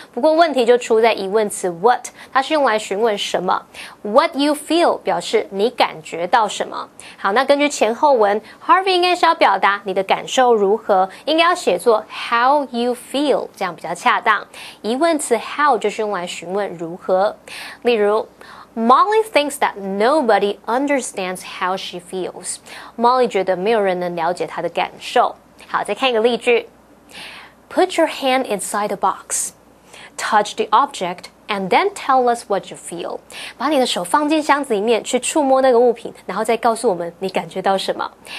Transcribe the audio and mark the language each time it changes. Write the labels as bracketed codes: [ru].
[zh] 不过问题就出在疑问词 what， 它是用来询问什么。 [en] What you feel [zh] 表示你感觉到什么。好，那根据前后文 ，Harvey 应该是要表达你的感受如何，应该要写作 [en] how you feel， [zh] 这样比较恰当。疑问词 how 就是用来询问如何，例如。 [en] Molly thinks that nobody understands how she feels. [zh] Molly 觉得没有人能了解她的感受。好，再看一个例句。 [en] Put your hand inside the box. Touch the object and then tell us what you feel. [zh] 把你的手放进箱子里面去触摸那个物品，然后再告诉我们你感觉到什么。